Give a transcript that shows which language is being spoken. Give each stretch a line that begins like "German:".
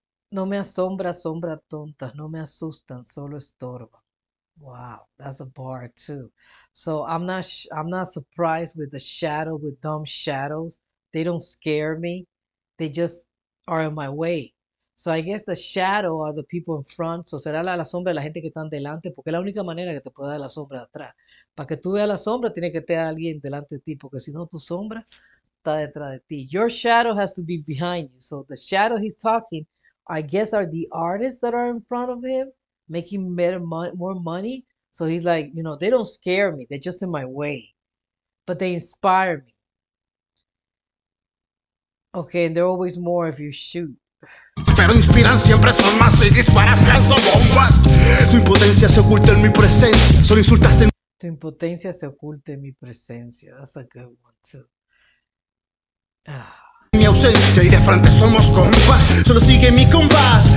Spanish: No me asombra, sombra tontas, no me asustan, solo estorba.
English: Wow, that's a bar too. So, I'm not surprised with the shadow, with dumb shadows. They don't scare me. They just are in my way. So I guess the shadow are the people in front.
Spanish: So será la sombra de la gente que están delante, porque es la única manera que te pueda dar la sombra de atrás. Para que tú veas la sombra, tiene que tener alguien delante de ti, porque si no, tu sombra está detrás de ti.
English: Your shadow has to be behind you. So the shadow he's talking, I guess, are the artists that are in front of him, making better more money. So he's like, you know, they don't scare me. They're just in my way. But they inspire me. Okay, and they're always more if you shoot.
Spanish: Pero inspiran siempre son más y disparas, lanzo bombas. Tu impotencia se oculta en mi presencia. Solo insultas en tu impotencia se oculta en mi presencia.
English: That's a good one too.
Spanish: Mi ausencia y de frente somos compas. Solo sigue mi compás.